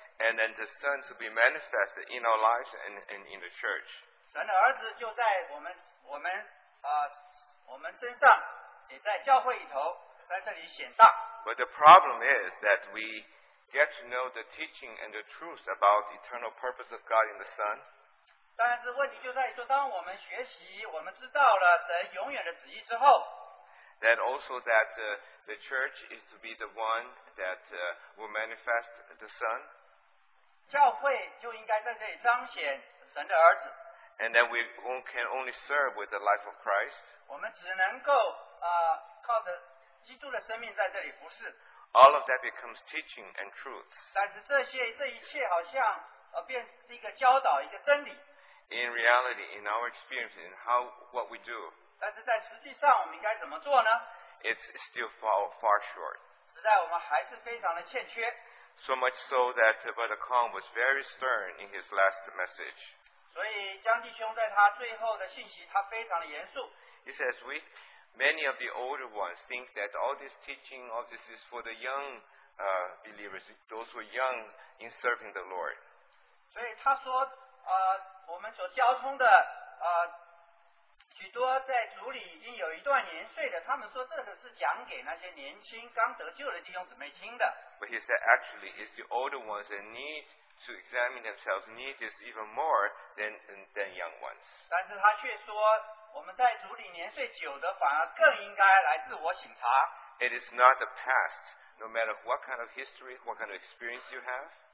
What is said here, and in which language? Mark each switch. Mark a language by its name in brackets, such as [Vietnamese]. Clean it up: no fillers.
[English] And then the Son to be manifested in our lives and in the church. [Chinese] 神的儿子就在我们身上。也在教会里头, [English] but the problem is that we get to know the teaching and the truth about the eternal purpose of God in the Son. [Chinese] 但是问题就在于说,当我们学习,我们知道了神永远的旨意之后, [English] that also that the church is to be the one that will manifest the Son. [Chinese] 教会就应该在这里彰显神的儿子。 [English] And then we can only serve with the life of Christ. [Chinese] 我们只能够 靠着基督的生命在这里服侍。 [English] All of that becomes teaching and truths. [Chinese] 但是这些,这一切好像, 变成一个教导, 一个真理。 [English] In reality, in our experience, in how what we do. [Chinese] 但是在实际上我们应该怎么做呢? [English] It's still far short. [Chinese] 实在我们还是非常的欠缺。 [English] So much so that Brother Kong was very stern in his last message. [Chinese] 所以江弟兄在他最后的信息, 他非常的严肃。 [English] He says, many of the older ones think that all this teaching, all this is for the young believers, those who are young in serving the Lord. [Chinese] 所以他说,我们所交通的,许多在主里已经有一段年岁的,他们说这个是讲给那些年轻刚得救的弟兄姊妹听的。 [English] But he said, actually, it's the older ones that need to examine themselves, need this even more than young ones. [Chinese] 但是他却说, 我们在主里年岁久的反而更应该来自我省察。 [English] It is not the past, no matter what kind of history, what kind of experience you have.